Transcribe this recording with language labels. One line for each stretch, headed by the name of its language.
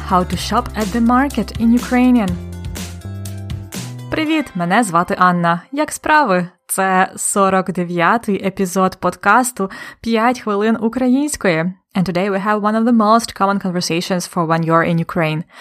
English: How to shop at the market in Ukrainian.
Ukrainian: Привіт, мене звати Анна. Як справи? Це 49-й епізод подкасту «5 хвилин української».
English: And today we have one of the most common conversations for when you're in Ukraine.